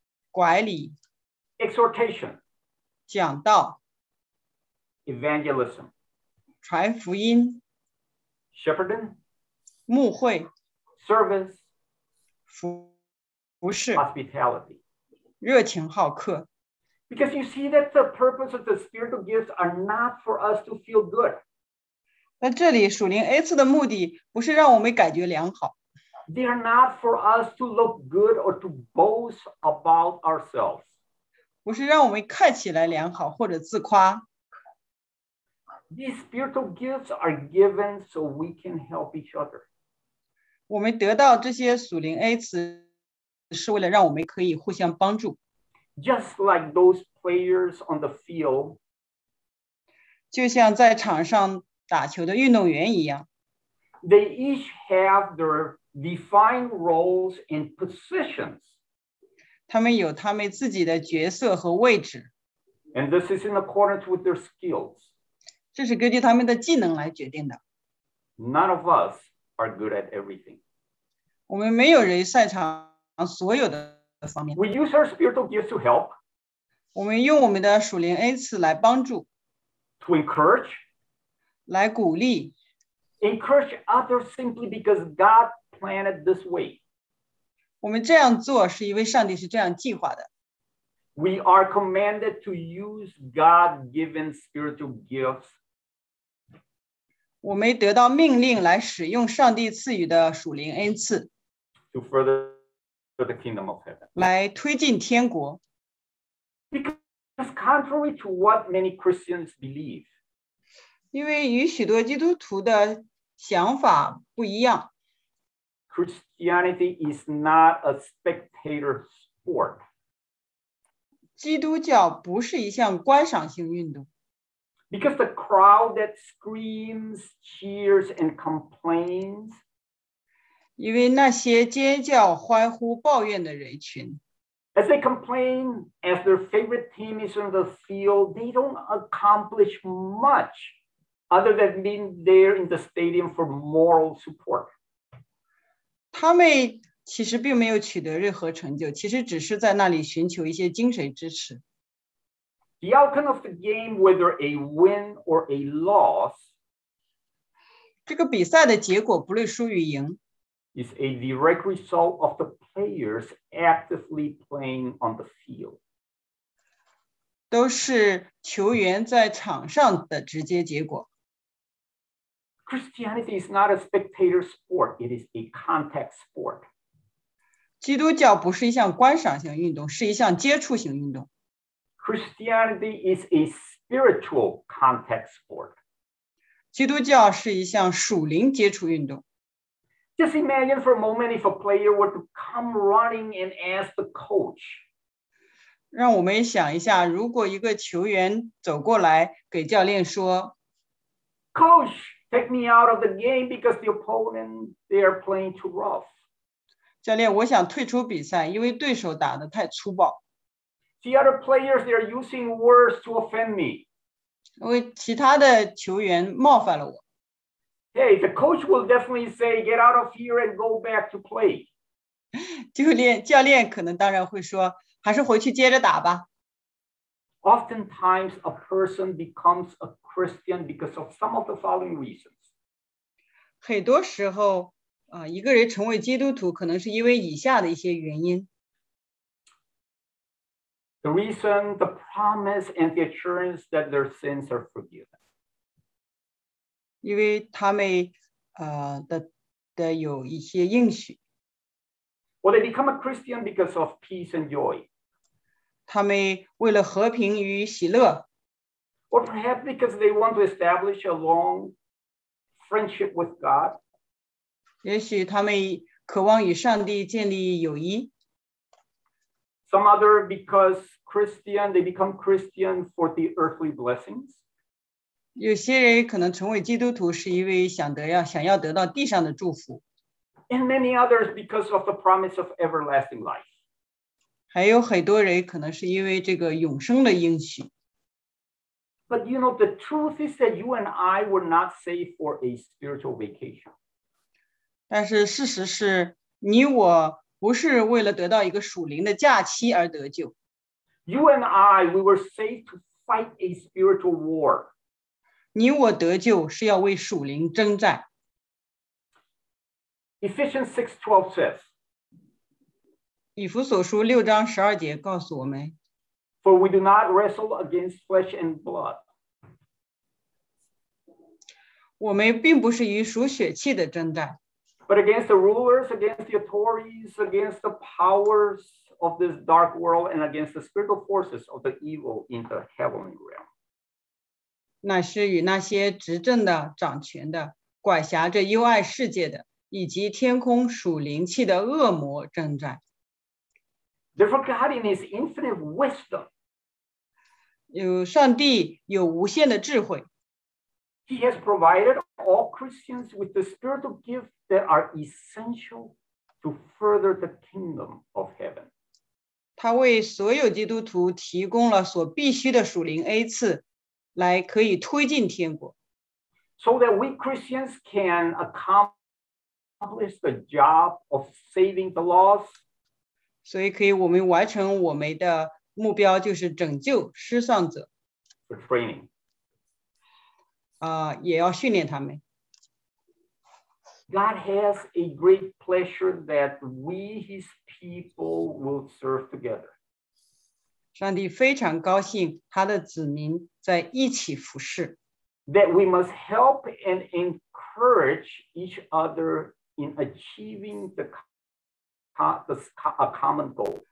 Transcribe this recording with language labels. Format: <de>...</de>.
<zh>管理</zh> <en>exhortation,</en> <zh>讲道</zh> <en>evangelism,</en> <zh>传福音</zh> <en>，shepherding，</en> <zh>牧会</zh> <en>，service，</en> <zh>服侍</zh> <en>，hospitality，</en> <zh>热情好客。</zh> <en>Because you see that the purpose of the spiritual gifts are not for us to feel good.</en> <zh>那这里属灵恩赐的目的不是让我们感觉良好。</zh> <en>They are not for us to look good or to boast about ourselves.</en> <zh>不是让我们看起来良好或者自夸。</zh> <en>These spiritual gifts are given so we can help each other.</en> <zh>我们得到这些属灵恩赐是为了让我们可以互相帮助。</zh> <en>Just like those players on the field.</en> <zh>就像在场上打球的运动员一样。</zh> <en>They each have their defined roles and positions.</en> <zh>他们有他们自己的角色和位置。</zh> <en>And this is in accordance with their skills.</en> <zh>这是根据他们的技能来决定的。</zh> <en>None of us are good at everything.</en> <zh>我们没有人擅长所有的方面。</zh> <en>We use our spiritual gifts to help.</en> <zh>我们用我们的属灵恩赐来帮助。</zh> <en>To encourage.</en> <zh>来鼓励。</zh> <en>Encourage others simply because God planned it this way.</en> <zh>我们这样做是因为上帝是这样计划的。</zh> <en>We are commanded to use God-given spiritual gifts.</en> <zh>我们得到命令来使用上帝赐予的属灵恩赐。</zh> <en>To further the kingdom of heaven.</en> <zh>来推进天国。</zh> <en>Because contrary to what many Christians believe.</en> <zh>因为与许多基督徒的想法不一样。</zh> <en>Christianity is not a spectator sport.</en> <zh>基督教不是一项观赏性运动。</zh> <en>Because the crowd that screams, cheers, and complains.</en> <zh>因为那些尖叫、欢呼、抱怨的人群。</zh> <en>As they complain, as their favorite team is on the field, they don't accomplish much other than being there in the stadium for moral support.</en> <zh>他们其实并没有取得任何成就，其实只是在那里寻求一些精神支持。</zh> <en>The outcome of the game, whether a win or a loss,</en> <zh>这个比赛的结果不论输与赢</zh> <en>is a direct result of the players actively playing on the field.</en> <zh>都是球员在场上的直接结果。</zh> <en>Christianity is not a spectator sport, it is a contact sport.</en> <zh>基督教不是一项观赏性运动，是一项接触性运动。</zh> <en>Christianity is a spiritual contact sport.</en> <zh>基督教是一项属灵接触运动。</zh> <en>Just imagine for a moment if a player were to come running and ask the coach.</en> <zh>让我们想一下，如果一个球员走过来给教练说</zh> <en>，Coach, take me out of the game because the opponent they are playing too rough.</en> <zh>教练，我想退出比赛，因为对手打得太粗暴。</zh> <en>The other players, they are using words to offend me.</en> <zh>因为其他的球员冒犯了我。</zh> <en>Hey, the coach will definitely say, get out of here and go back to play.</en> <zh>教练可能当然会说，还是回去接着打吧。</zh> <en>Oftentimes, a person becomes a Christian because of some of the following reasons.</en> <zh>很多时候，一个人成为基督徒，可能是因为以下的一些原因。</zh> <en>The reason, the promise, and the assurance that their sins are forgiven.</en> <zh>因为他们的有一些应许。</zh> <en>Or they become a Christian because of peace and joy.</en> <zh>他们为了和平与喜乐。</zh> <en>Or perhaps because they want to establish a long friendship with God.</en> <zh>也许他们渴望与上帝建立友谊。</zh> <en>Some other because Christian, they become Christian for the earthly blessings.</en> <zh>有些人可能成为基督徒是因为想要得到地上的祝福。</zh> <en>And many others because of the promise of everlasting life.</en> <zh>还有很多人可能是因为这个永生的应许。</zh> <en>But you know, the truth is that you and I were not saved for a spiritual vacation.</en> <zh>但是事实是你我不是为了得到一个属灵的假期而得救。</zh> <en>You and I, we were saved to fight a spiritual war.</en> <zh>你我得救是要为属灵征战。</zh> <en>Ephesians 6:12 says,</en> <zh>以弗所书六章十二节告诉我们，</zh> <en>For we do not wrestle against flesh and blood.</en> <zh>我们并不是与属血气的征战。</zh> <en>But against the rulers, against the authorities, against the powers of this dark world, and against the spiritual forces of the evil in the heavenly realm.</en> <zh>那是与那些执政的、掌权的、管辖着幽暗世界的，以及天空属灵气的恶魔征战。</zh> <en>Therefore, God in His infinite wisdom,</en> <zh>有上帝有无限的智慧。</zh> <en>He has provided all Christians with the spiritual gifts that are essential to further the kingdom of heaven.</en> <zh>他为所有基督徒提供了所必须的属灵恩赐，来可以推进天国。</zh> <en>So that we Christians can accomplish the job of saving the lost.</en> <zh>所以可以我们完成我们的目标，就是拯救失丧者。</zh> <en>For training.</en> <zh>也要训练他们。</zh> <en>God has a great pleasure that we, His people, will serve together.</en> <zh>上帝非常高兴他的子民在一起服侍。</zh> <en>That we must help and encourage each other in achieving a common goal.</en>